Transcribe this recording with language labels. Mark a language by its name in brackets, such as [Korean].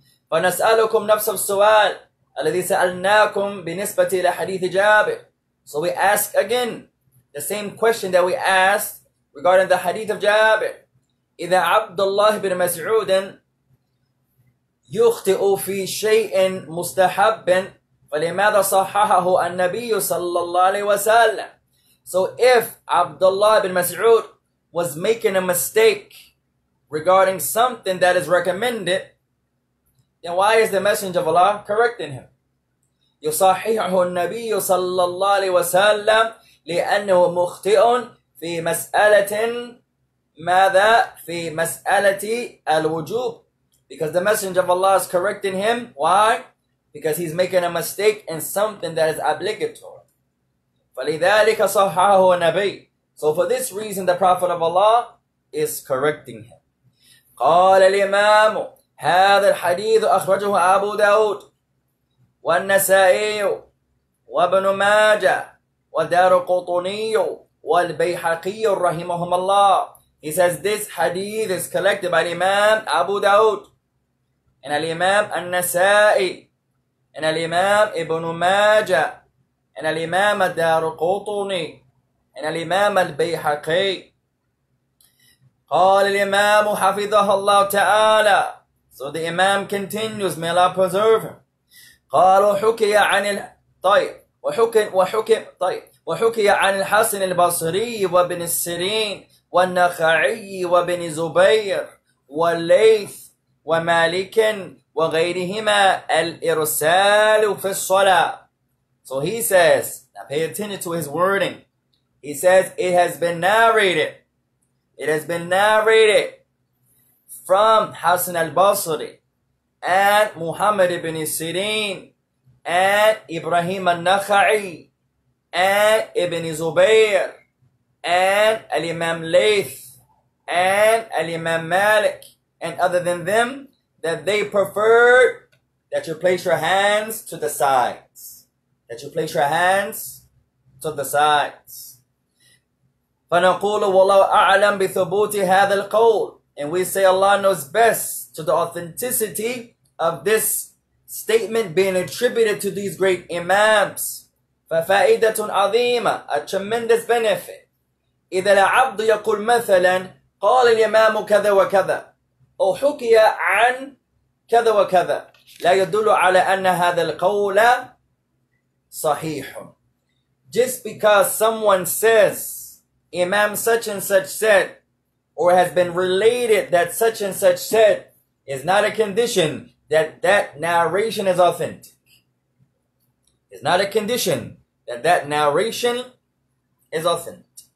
[Arabic] فنسألكم نفس السؤال الذي سألناكم بالنسبة إلى حديث جابر. [English] So we ask again the same question that we asked regarding the hadith of جابر. [Arabic] إذا عبد الله بن مسعود يخطئ في شيء مستحب فلماذا صححه النبي صلى الله عليه وسلم؟ [English] So if Abdullah ibn Mas'ud was making a mistake regarding something that is recommended, then why is the Messenger of Allah correcting him? [Arabic] يصححه النبي صلى الله عليه وسلم لأنه مخطئ في مسألة ماذا؟ في مسألة الوجوب. [English] Because the Messenger of Allah is correcting him. Why? Because he's making a mistake in something that is obligatory. [Arabic] فَلِذَٰلِكَ صَحَّهُ النَّبِيُّ [English] So for this reason, the Prophet of Allah is correcting him. [Arabic] قَالَ الْإِمَامُ هَذَا الْحَدِيثُ أَخْرَجُهُ أَبُو دَاوُدُ وَالنَّسَائِيُّ وَابْنُ مَاجَةُ وَالدَّارُقُطُنِيُّ وَالْبَيْحَقِيُّ رَحِمَهُمَ اللَّهُ [English] He says this hadith is collected by Imam Abu Daud and Al-Imam An-Nasa'i and Al-Imam Ibn Majah and Al-Imam Ad-Darqutni and Al-Imam Al-Bayhaqi. [Arabic] قال الإمام حفظه الله تعالى. [English] So the Imam continues, may Allah preserve him. [Arabic] قال وحكي عن الطيب وحكي عن الحسن البصري وابن السرين والنخعي وابن زبير والليث ومالك وغيرهما الإرسال في الصلاة. [English] So he says, now pay attention to his wording. He says, it has been narrated from Hassan al-Basri and Muhammad ibn Sirin and Ibrahim al-Nakhai and Ibn Zubair and Al-Imam Layth and Al-Imam Malik and other than them, that they preferred that you place your hands to the sides. That you place your hands to the sides. [Arabic] فَنَقُولُ وَاللَّهُ أَعْلَمْ بِثُبُوتِ هَذَا الْقَوْلِ [English] And we say Allah knows best to the authenticity of this statement being attributed to these great Imams. [Arabic] فَفَائِدَةٌ عَظِيمَةٌ [English] A tremendous benefit. [Arabic] إذا العبد يقول مثلا قال الإمام كذا وكذا أو حكي عن كذا وكذا لا يدل على أن هذا القول صحيح. [English] Just because someone says Imam such and such said or has been related that such and such said is not a condition that that narration is authentic. It's not a condition that that narration is authentic.